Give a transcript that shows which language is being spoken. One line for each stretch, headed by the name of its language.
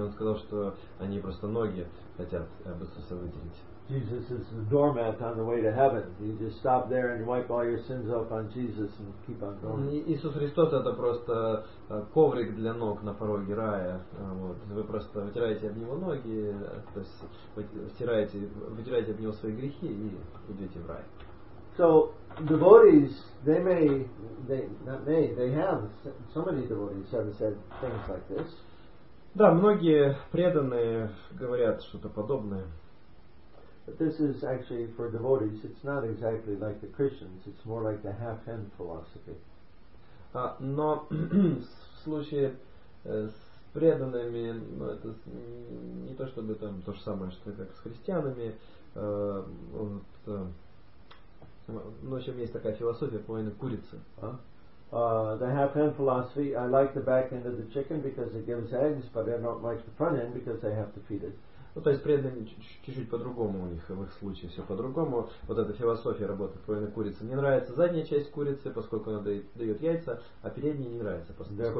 Russian: Он сказал, что они просто ноги хотят об Иисуса выделить.
English: Jesus is the doormat on the way to heaven. You just stop there and wipe all your sins off on Jesus and keep on going.
Russian: Иисус Христос это просто коврик для ног на пороге рая. Вот. Вы просто вытираете об него ноги, то есть вытираете об него свои грехи и идете в рай.
English: So devotees, so many devotees have said things like this.
Russian: Да, многие преданные говорят что-то подобное.
English: But this is actually for devotees. It's not exactly like the Christians. It's more like the half-hen philosophy.
Russian: Но в случае с преданными, но это не то чтобы там то же самое, что как с христианами. Вот, ну, в общем, есть такая философия половины курицы.
English: They have hen philosophy. I like the back end of the chicken because it gives eggs, but I don't like the front end because they have to feed it.
Russian: Ну, то есть преданные чуть-чуть по-другому у них, в их случае все по-другому. Вот эта философия работы половины курицы. Не нравится задняя часть курицы, поскольку она дает яйца, а передняя не нравится, поскольку